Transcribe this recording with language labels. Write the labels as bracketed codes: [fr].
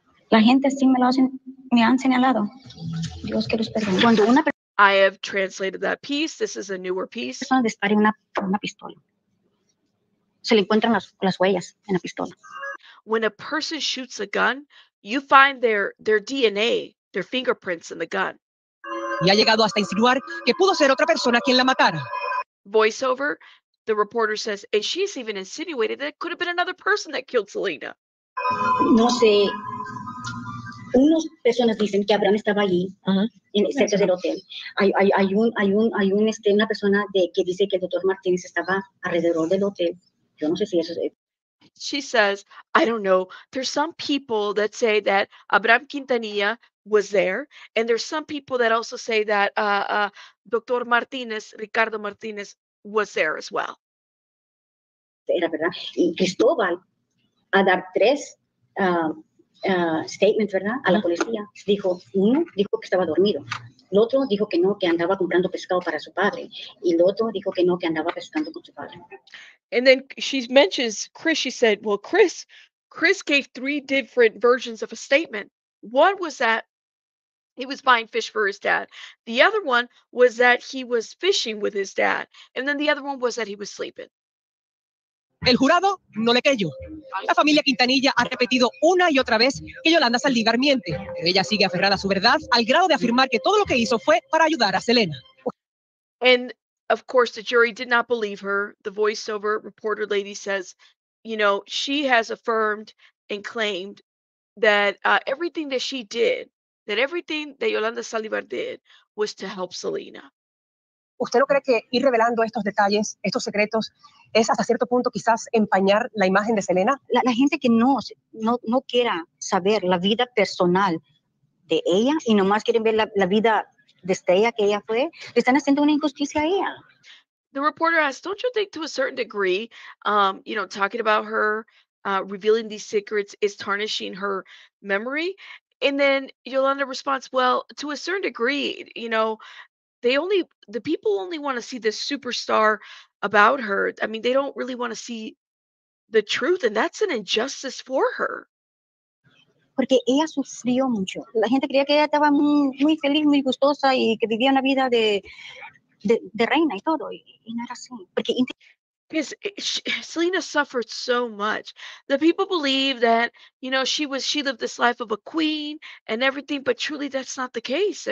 [es] La gente así me lo hacen, me han señalado. Dios que los perdone. Cuando una [en] I have translated that piece. This is a newer piece. [es] Persona de estar en una pistola. Se le encuentran las huellas en la pistola. [en] When a person shoots a gun, you find their DNA, their fingerprints in the gun. [es] Y ha llegado hasta insinuar que pudo ser otra persona quien la matara. [en] Voiceover, the reporter says, and she's even insinuated that it could have been another person that killed Selena. [es] No sé. Unas personas dicen que Abraham estaba allí, en el centro del hotel. Hay una persona que dice que el doctor Martínez estaba alrededor del hotel. Yo no sé si eso es. [en] She says, I don't know. There's some people that say that Abraham Quintanilla was there. And there's some people that also say that Dr. Martinez, Ricardo Martinez, was there as well. [es] Era verdad. Y Cristóbal a dar tres statements, ¿verdad? A la policía. Dijo, uno dijo que estaba dormido. El otro dijo que no, que andaba comprando pescado para su padre. Y el otro dijo que no, que andaba pescando con su padre. [en] And then she mentions Chris. She said, well, Chris gave three different versions of a statement. One was that he was buying fish for his dad. The other one was that he was fishing with his dad. And then the other one was that he was sleeping. [es] El jurado no le creyó. La familia Quintanilla ha repetido una y otra vez que Yolanda Saldivar miente. Ella sigue aferrada a su verdad al grado de afirmar que todo lo que hizo fue para ayudar a Selena. [en] And of course, the jury did not believe her. The voiceover reporter lady says, you know, she has affirmed and claimed that everything that she did, that everything that Yolanda Saldivar did was to help Selena. [es] ¿Usted no cree que ir revelando estos detalles, estos secretos, es hasta cierto punto quizás empañar la imagen de Selena? La gente que no quiera saber la vida personal de ella y nomás quieren ver la vida de estrella que ella fue, le están haciendo una injusticia a ella. [en] The reporter asked, don't you think to a certain degree, talking about her, revealing these secrets is tarnishing her memory? And then Yolanda responds, well, to a certain degree, you know, the people only want to see this superstar about her. I mean, they don't really want to see the truth, and that's an injustice for her. [es] Porque ella sufrió mucho. La gente creía que ella estaba muy feliz, muy gustosa, y que vivía una vida de reina y todo, y no era así. Porque [en] Selena suffered so much. The people believe that, you know, she lived this life of a queen and everything, but truly that's not the case.